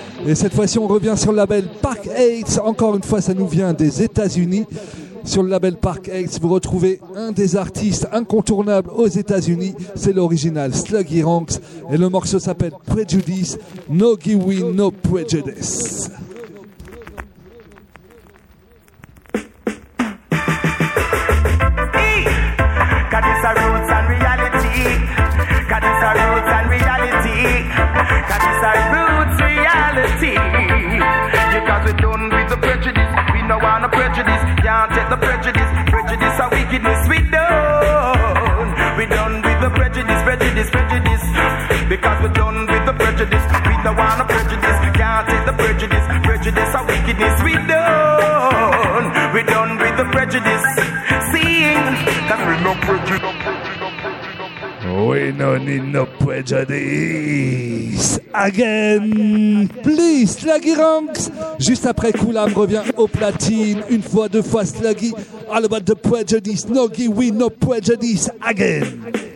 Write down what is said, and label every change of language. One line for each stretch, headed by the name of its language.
French: Et cette fois-ci, on revient sur le label Park Heights. Encore une fois, ça nous vient des États-Unis. Sur le label Park Heights, vous retrouvez un des artistes incontournables aux États-Unis, c'est l'original Sluggy Ranks, et le morceau s'appelle Prejudice, No Giwi, No Prejudice.
English: Cause it's our roots and reality. Cause it's our roots reality. Because we don't prejudice, prejudice or wickedness. We done, we done with the prejudice, prejudice, prejudice. Because we done with the prejudice, we don't want no prejudice. We can't take the prejudice, prejudice or wickedness. We done, we done with the prejudice. Seeing that we no prejudice. We no need no prejudice. Again, please, Slaggy Ranks.
French: Juste après, Koulam revient au platine. Une fois, deux fois, Slaggy.
English: All about the prejudice. No gi, we no prejudice. Again.